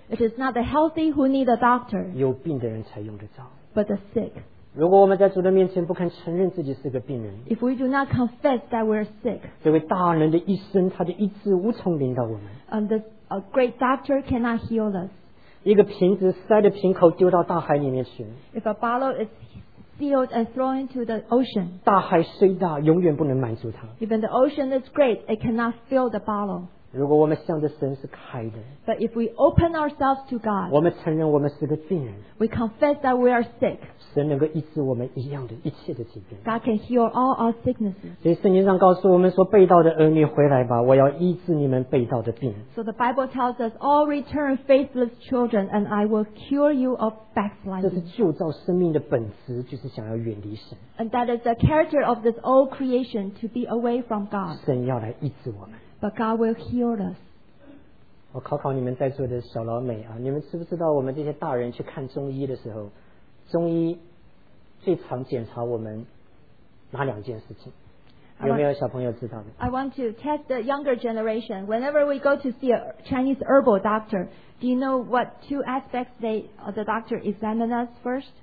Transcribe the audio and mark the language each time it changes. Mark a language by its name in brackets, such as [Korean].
[English] It is not the healthy who need a doctor. [Chinese] 有病的人才用得着。 [English] but the sick. [Chinese] 如果我们在主的面前不肯承认自己是个病人, [English] if we do not confess that we are sick, [Chinese] 这位大能的医生他就一直无从领导我们, [English] a great doctor cannot heal us. [Chinese] 一个瓶子塞着瓶口丢到大海里面去, [English] if a bottle is sealed and thrown into the ocean, [Chinese] 大海虽大, 永远不能满足它, [English] even the ocean is great, it cannot fill the bottle. [Chinese] 如果我们向着神是开的, [English] but if we open ourselves to God, [Chinese] 我们承认我们是个病人, [English] we confess that we are sick, [Chinese] 神能够医治我们一样的一切的疾病, [English] God can heal all our sicknesses. [Chinese] 所以圣经上告诉我们说被盗的儿女回来吧, 我要医治你们被盗的病, [English] so the Bible tells us, all return faithless children and I will cure you of backsliding. [Chinese] 这是旧造生命的本质, 就是想要远离神, [English] and that is the character of this old creation, to be away from God. [Chinese] 神要来医治我们, [English] but God will heal us. [Chinese] 我考考你们在座的小老美啊, 你们知不知道我们这些大人去看中医的时候, 中医最常检查我们哪两件事情? 有没有小朋友知道的? [English] I want to test the younger generation. Whenever we go to see a Chinese herbal doctor, do you know what two aspects the doctor examine us first?